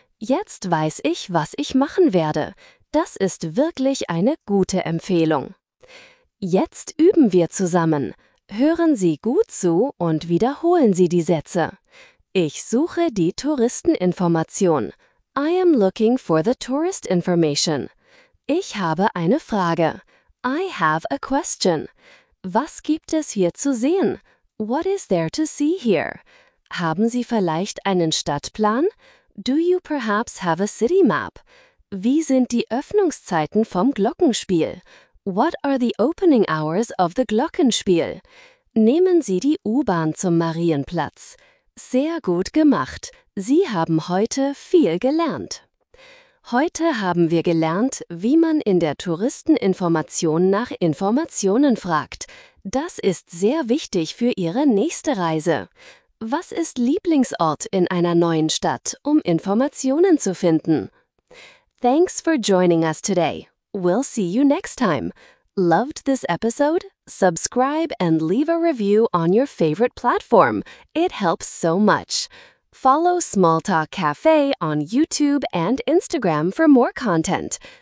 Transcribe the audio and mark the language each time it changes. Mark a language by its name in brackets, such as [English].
[German] Jetzt weiß ich, was ich machen werde. Das ist wirklich eine gute Empfehlung. Jetzt üben wir zusammen. Hören Sie gut zu und wiederholen Sie die Sätze. Ich suche die Touristeninformation. [English] I am looking for the tourist information. [German] Ich habe eine Frage. [English] I have a question. [German] Was gibt es hier zu sehen? [English] What is there to see here? [German] Haben Sie vielleicht einen Stadtplan? [English] Do you perhaps have a city map? [German] Wie sind die Öffnungszeiten vom Glockenspiel? [English] What are the opening hours of the Glockenspiel? [German] Nehmen Sie die U-Bahn zum Marienplatz. Sehr gut gemacht. Sie haben heute viel gelernt. Heute haben wir gelernt, wie man in der Touristeninformation nach Informationen fragt. Das ist sehr wichtig für Ihre nächste Reise. Was ist Lieblingsort in einer neuen Stadt, um Informationen zu finden? [English] Thanks for joining us today. We'll see you next time. Loved this episode? Subscribe and leave a review on your favorite platform. It helps so much. Follow Small Talk Cafe on YouTube and Instagram for more content.